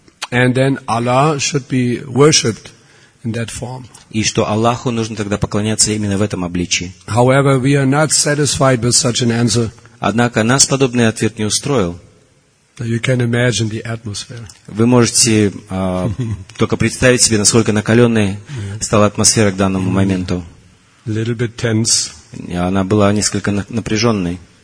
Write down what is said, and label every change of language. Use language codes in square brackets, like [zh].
[en] And then Allah should be worshipped in that form. [ru] И что Аллаху нужно тогда поклоняться именно в этом обличии. [en] However, we are not satisfied with such an answer. [ru] Однако нас подобный ответ не устроил. [en] You can imagine the atmosphere. [ru] Вы можете только представить себе, насколько накаленной стала атмосфера к данному моменту. [en] A little bit tense. [ru] Она была несколько напряженной.